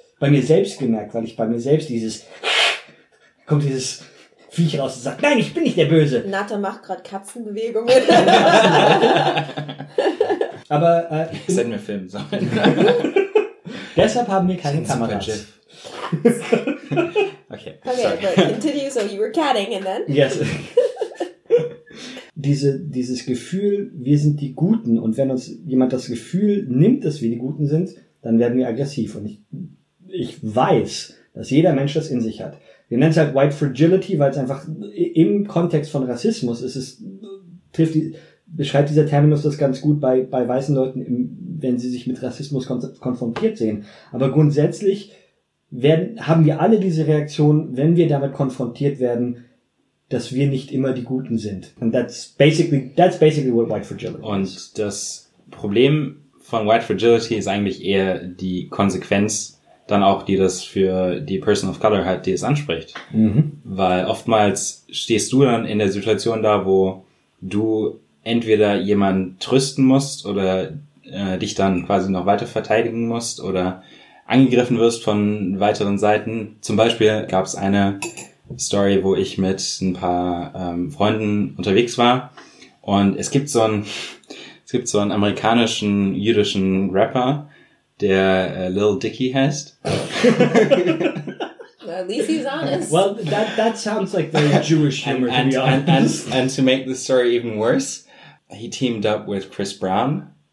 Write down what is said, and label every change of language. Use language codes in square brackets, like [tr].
[de] bei mir selbst gemerkt, weil ich bei mir selbst dieses kommt dieses Viech raus und sagt, nein, ich bin nicht der Böse. Nata macht gerade Katzenbewegungen. Aber ich sende mir Film. So. Deshalb haben wir keine Kameras. Okay. [en] Okay, but continue, so you were catting and then? Yes. [de] Dieses Gefühl, wir sind die Guten, und wenn uns jemand das Gefühl nimmt, dass wir die Guten sind, dann werden wir aggressiv. Und ich weiß, dass jeder Mensch das in sich hat. Wir nennen es halt White Fragility, weil es einfach im Kontext von Rassismus ist, beschreibt dieser Terminus das ganz gut bei weißen Leuten, wenn sie sich mit Rassismus konfrontiert sehen. Aber grundsätzlich haben wir alle diese Reaktion, wenn wir damit konfrontiert werden, dass wir nicht immer die Guten sind. [en] And that's basically what White Fragility is. [de] Und das Problem von White Fragility ist eigentlich eher die Konsequenz, dann auch, die das für die Person of Color hat, die es anspricht. Mhm. Weil oftmals stehst du dann in der Situation da, wo du entweder jemanden trösten musst oder dich dann quasi noch weiter verteidigen musst oder angegriffen wirst von weiteren Seiten. Zum Beispiel gab es eine Story, wo ich mit ein paar Freunden unterwegs war, und es gibt so einen amerikanischen jüdischen Rapper, der Lil Dicky heißt. [en] At least he's honest. Well, that sounds like very Jewish humor, to be honest. And to make the story even worse, he teamed up with Chris Brown.